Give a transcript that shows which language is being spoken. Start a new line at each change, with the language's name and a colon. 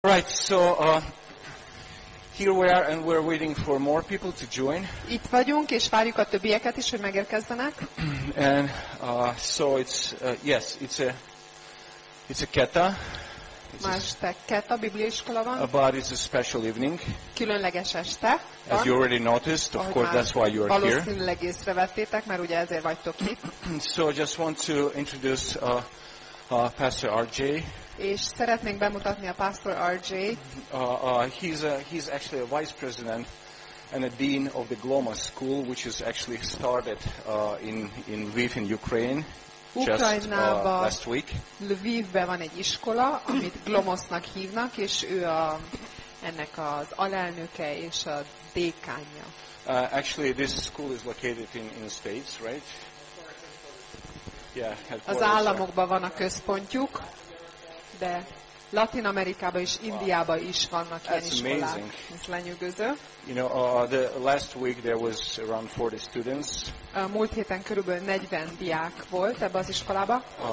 English: Right, so here we are, and we're waiting for more people to join.
Hungarian: Itt vagyunk, és várjuk a többieket is, hogy megérkezzenek.
English: And so it's a Keta.
Hungarian: Másnap Keta Biblia iskola van.
English: But it's a special evening.
Hungarian: Különleges este.
English: As you already noticed, of course, that's why you are here.
Hungarian: Valószínűleg észrevettétek, mert ugye ezért vagytok itt.
English: So I just want to introduce Pastor RJ.
Hungarian: És szeretnénk bemutatni a Pastor RJ-t.
English: He's actually a vice president and a dean of the Gloma School, which is actually started in Lviv in Ukraine just last week.
Hungarian: Lvivben van egy iskola, amit Glomosnak hívnak, és ő ennek az alelnöke és a dékánja.
English: Actually, this school is located in the States, right? Yeah,
Hungarian: az államokban van a központjuk. De Latin Amerikában és Indiában is vannak ilyen iskolák. Ez lenyűgöző.
English: You know, the last week there was around 40 students.
Hungarian: Múlt héten körülbelül 40 diák volt ebbe az iskolába.